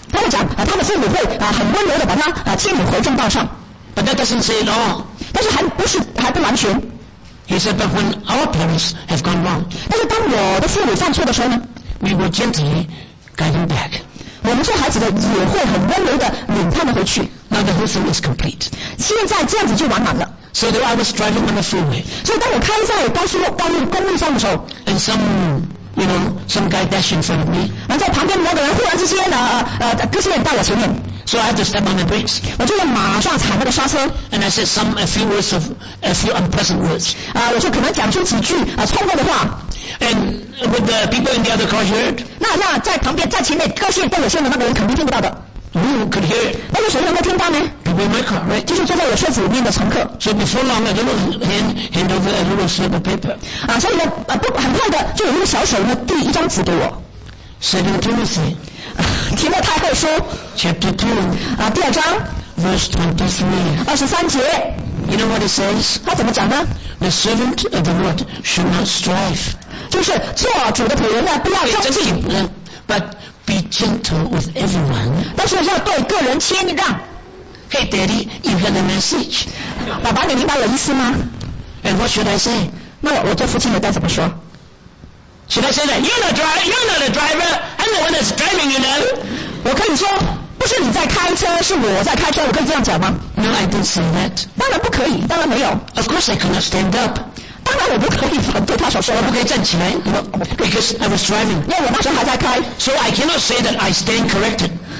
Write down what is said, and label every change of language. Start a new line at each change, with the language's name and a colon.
Chinese: 他们讲他的父母会很温柔的把他劝你回正道上。
English: But that doesn't say it all.
Chinese: 但是还不是还不完全。
English: He said, but when our parents have gone wrong,
Chinese: 但是当我的父母犯错的时候呢
English: we will gently guide them back.
Chinese: 我们做孩子的也会很温柔的领他们回去。
English: Now the whole thing is complete.
Chinese: 现在这样子就完满了。
English: So though I was driving on the freeway,
Chinese: 所以当我开在高速公路上的时候
English: and some guy dash in front of me,
Chinese: 然后旁边某个人忽然之间就是到我前面。
English: So I had to step on the brakes.
Chinese: 我就马上踩那个刹车。
English: And I said a few unpleasant words.
Chinese: 我就可能讲出几句冲动的话。
English: And with the people in the other car heard?
Chinese: 那在旁边在前面高兴跟我说的那个人肯定听不到的。
English: Who could hear?
Chinese: 那有谁能够听到呢？
English: People in my car, right?
Chinese: 就是坐在我车子里面的乘客。
English: So before long, I didn't hand over a little slip of paper.
Chinese: 所以呢，很快的就有一个小手呢递一张纸给我。
English: Second Timothy.
Chinese: 提摩太后书
English: Chapter 2
Chinese: 第二章
English: Verse 23
Chinese: 节
English: You know what it says?
Chinese: 他怎么讲呢
English: The servant of the Lord should not strive
Chinese: 就是做主的仆人呢不要争竞
English: But be gentle with everyone
Chinese: 但是要对个人谦让
English: Hey daddy, you got the message
Chinese: 爸爸你明白我意思吗
English: And what should I say?
Chinese: 那我做父亲的该怎么说
English: Should I say that? You're not the driver. I'm the one that's driving, you know.
Chinese: 我可以说，不是你在开车，是我在开车。我可以这样讲吗？
English: No, I didn't say that.
Chinese: 当然不可以，当然没有。
English: Of course I cannot stand up.
Chinese: 当然我不可以对他所说的。我不可以站起来。
English: No, because I was driving.
Chinese: 因为我那时候还在开。
English: So I cannot say that I stand corrected.